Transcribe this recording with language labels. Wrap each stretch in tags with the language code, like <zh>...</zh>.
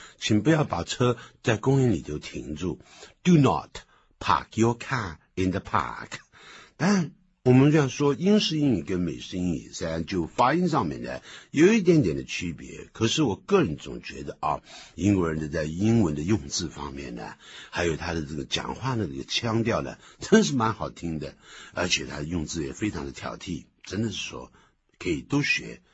<zh>请不要把车在公园里头停住。</zh> <en>Do not park your car in the park.</en> <zh>但我们这样说，英式英语跟美式英语虽然就发音上面呢有一点点的区别，可是我个人总觉得啊，英国人的在英文的用字方面呢，还有他的这个讲话的这个腔调呢，真是蛮好听的，而且他用字也非常的挑剔，真的是说可以多学。</zh>